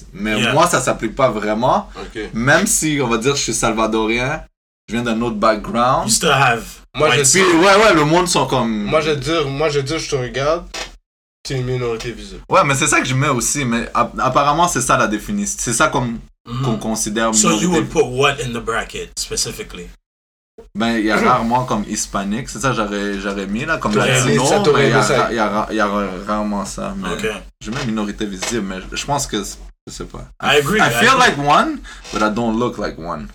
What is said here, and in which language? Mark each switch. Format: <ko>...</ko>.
<fr>Mais yeah. Moi, ça s'applique pas vraiment.</fr> <en>Okay.</en> <fr>Même si, on va dire, je suis salvadorien, je viens d'un autre background.</fr> <en>You still have...</en> <fr>Moi, puis, ouais, le monde sont comme... Moi, je veux dire, je te regarde, t'es une minorité visible. Ouais, mais c'est ça que je mets aussi, mais apparemment, c'est ça la définition. C'est ça comme, mm-hmm. qu'on considère so minorité.</fr> <en>So you would put what in the bracket, specifically?</en> <fr>Ben, il y a rarement comme hispanique, c'est ça que j'aurais mis là, comme t'aurais latino, ça, mais il y a rarement ça, mais</fr> <en>okay.</en> <fr>Je mets minorité visible, mais je pense que, je sais pas.</fr> <en>I agree. Like one, but I don't look like one.</en>